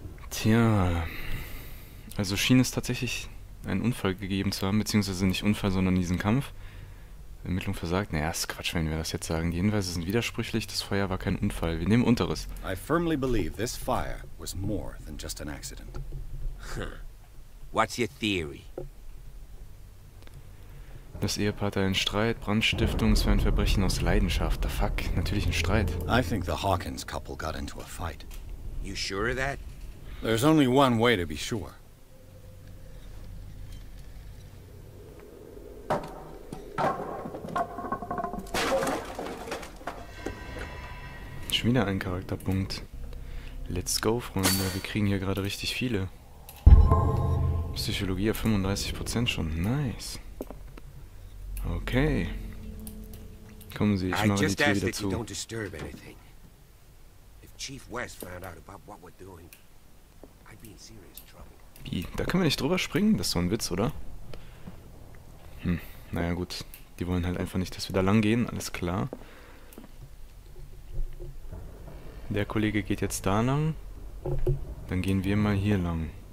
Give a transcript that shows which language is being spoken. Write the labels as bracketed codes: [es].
[de] Tja. Also schien es tatsächlich einen Unfall gegeben zu haben, beziehungsweise nicht Unfall, sondern diesen Kampf. Ermittlung versagt? Naja, ist Quatsch, wenn wir das jetzt sagen. Die Hinweise sind widersprüchlich, das Feuer war kein Unfall. Wir nehmen Unteres. [en] I firmly believe this fire was more than just an accident. What's your theory? [de] Das Ehepaar hatte einen Streit, Brandstiftung, es war ein Verbrechen aus Leidenschaft. [en] The fuck, [de] natürlich ein Streit. [en] I think the Hawkins couple got into a fight. You sure of that? There's only one way to be sure. [de] Schon wieder ein Charakterpunkt. [en] Let's go, [de] Freunde. Wir kriegen hier gerade richtig viele. Psychologie auf 35% schon. Nice. Okay. Kommen Sie, ich mache die Tür wieder zu. [en] Don't disturb anything. If Chief West found out about what we're doing, I'd be in serious trouble. [de] Wie? Da können wir nicht drüber springen? Das ist so ein Witz, oder? Hm, naja gut. Die wollen halt einfach nicht, dass wir da lang gehen. Alles klar. Der Kollege geht jetzt da lang. Dann gehen wir mal hier lang.